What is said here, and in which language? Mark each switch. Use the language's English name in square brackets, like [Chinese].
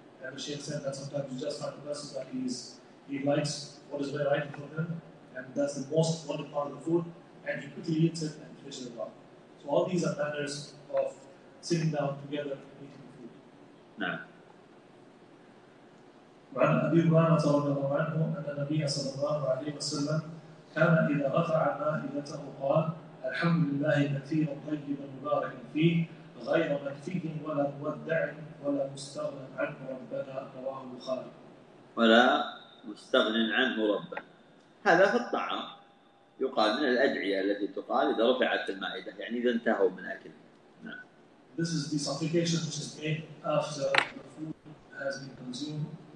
[English] And the Sheikh said that sometimes you just find a person that he likes what is very right in front of him, and that's the most important part of the food, and he quickly eats it and finishes it off. So all these are manners of sitting down together and eating the food. [Arabic] وعن أبي هريرة رضي الله عنه أن النبي صلى الله عليه وسلم كان إذا رفع مائدته قال الحمد لله كثيرا طيبا مباركا فيه غير مكفي ولا مودع ولا مستغن عنه ربنا رواه البخاري. ولا مستغن عنه ربنا. هذا في الطعام يقال من الأدعية التي تقال إذا رفعت المائدة، يعني إذا انتهوا من أكل. [English] This is the supplication which is made after the food has been consumed.